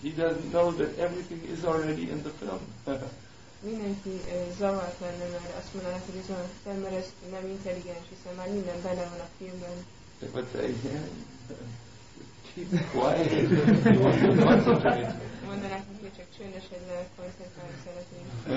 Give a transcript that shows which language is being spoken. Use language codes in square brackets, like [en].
[en] He doesn't know that everything is already in the film. [hu] Mindenki zavart lenne, mert azt mondaná, hogy ez olyan film, mert ez nem intelligens, hiszen már minden benne van a filmben. [en] They would say, keep quiet, you want to concentrate. [hu] Mondanák, hogy csak csöndesed le, koncentrálni szeretnénk.